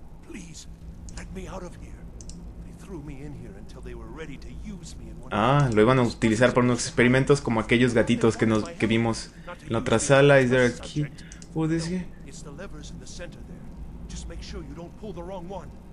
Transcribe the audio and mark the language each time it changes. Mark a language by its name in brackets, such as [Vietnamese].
[English] Please, let me out of here. They threw me in here until they were ready to use me. [Spanish] Ah, lo iban a utilizar para unos experimentos como aquellos gatitos que nos que vimos en la otra sala. [English] Is there a key for this here? It's the levers in the center there. Just make sure you don't pull the wrong one.